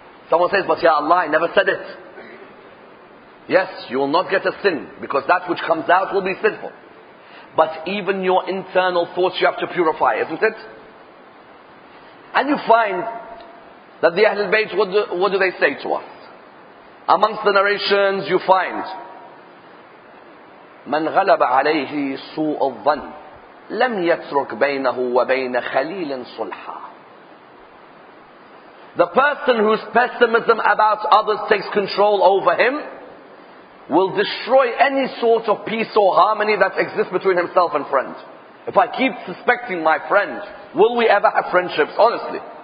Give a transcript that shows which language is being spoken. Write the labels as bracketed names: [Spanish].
[English] Someone says, but ya Allah, I never said it. Yes, you will not get a sin, because that which comes out will be sinful. But even your internal thoughts you have to purify, isn't it? And you find that the Ahlul Bayt, what do they say to us? Amongst the narrations you find, [Arabic] مَنْ غَلَبَ عَلَيْهِ سُوءَ الظَّنِّ لَمْ يَتْرُكْ بَيْنَهُ وَبَيْنَ خَلِيلٍ صُلْحًا. [English] The person whose pessimism about others takes control over him will destroy any sort of peace or harmony that exists between himself and friend. If I keep suspecting my friend, will we ever have friendships? Honestly.